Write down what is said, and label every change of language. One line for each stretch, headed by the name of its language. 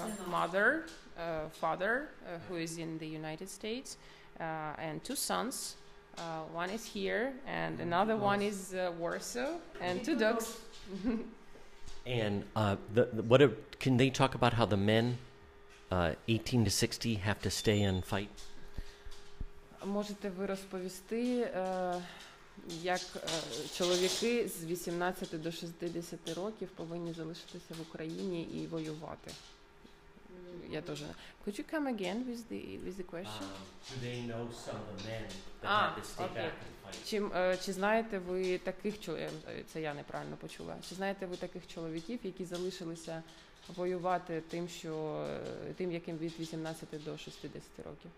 English: Mother, father, who is in the United States, and two sons. One is here, and another one is Warsaw, and two dogs. And can they talk about how the men, 18 to 60, have to stay and fight?
Ukrainian: Можете ви розповісти, як чоловіки з 18 до 60 років повинні залишитися в Україні і воювати? Я теж.
English: Could you come again with the question? Do they know some of the men that have to stay back and fight?
Ukrainian: Чи знаєте ви таких чоловіків, це я неправильно почула. Чи знаєте ви таких чоловіків, які залишилися воювати тим, що тим, яким від 18 до 60 років?